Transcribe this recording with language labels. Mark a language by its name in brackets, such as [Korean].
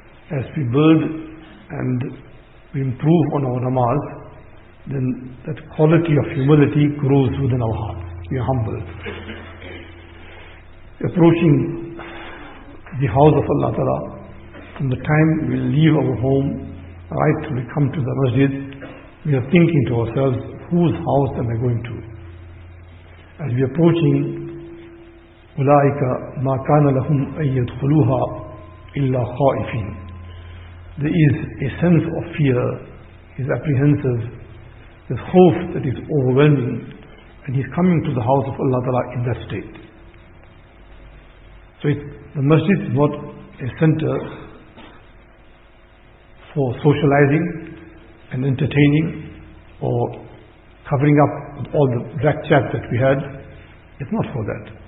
[English] As we build and we improve on our namaz, then that quality of humility grows within our heart. We are humble. Approaching the house of Allah Ta'ala, from the time we leave our home, right till we come to the masjid, we are thinking to ourselves, whose house am I going to? As we are approaching, [Arabic] أُولَٰئِكَ مَا كَانَ لَهُمْ أَن يَدْخُلُوهَا إِلَّا خَائِفِينَ. [English] There is a sense of fear, he's apprehensive, there's hope that is overwhelming, and he's coming to the house of Allah Ta'ala in that state. So the masjid is not a center for socializing and entertaining or covering up with all the black chat that we had. It's not for that.